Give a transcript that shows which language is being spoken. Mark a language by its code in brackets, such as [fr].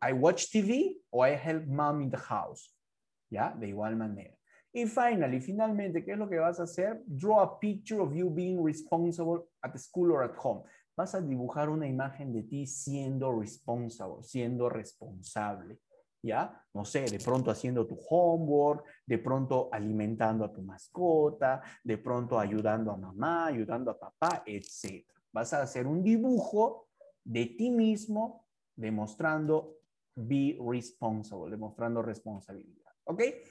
[en] I watch TV or I help mom in the house. [es] ¿Ya? De igual manera. Y finalmente, ¿qué es lo que vas a hacer? [en] Draw a picture of you being responsible at the school or at home. [es] Vas a dibujar una imagen de ti siendo responsible, siendo responsable. ¿Ya? No sé, de pronto haciendo tu homework, de pronto alimentando a tu mascota, de pronto ayudando a mamá, ayudando a papá, etc. Vas a hacer un dibujo de ti mismo, demostrando be responsible, demostrando responsabilidad. ¿Ok?